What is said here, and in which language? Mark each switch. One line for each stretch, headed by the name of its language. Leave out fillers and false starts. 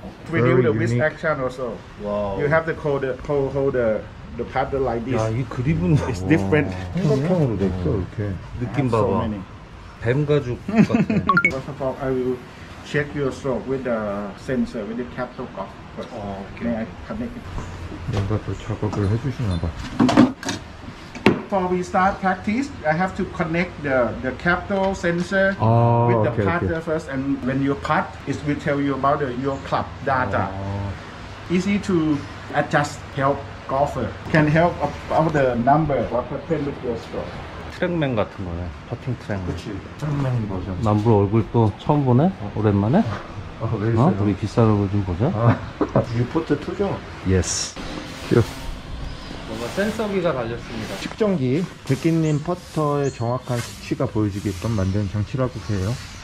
English: Reduce the wrist action also. Wow. You have to hold the paddle like this. Yeah, you could even. It's different. Okay. So many.
Korean: 뱀 가죽 같아.
English: First of all, I will check your stroke with the sensor, with the capital cup. First. Okay. May I connect it?
Korean: 뭔가 또 작업을 해주시나 봐.
English: Before we start practice, I have to connect the capital sensor with the putter first. And when you putt, it will tell you about your club data. Easy to adjust, help golfer. Can help about the number, what happened with your stroke.
Korean: 트랙맨 같은 거네, 퍼팅 트랙맨. 그치, 트랙맨 버전. 남브로 얼굴 또 처음 보네, 오랜만에. 왜 있어요? 우리 비싼 얼굴 좀 보자. 뉴포트 2죠?
English: 예스.
Korean: 뭔가 센서기가 달렸습니다. 측정기, 백기님 퍼터의 정확한 수치가 보여지게끔 만든 장치라고 해요.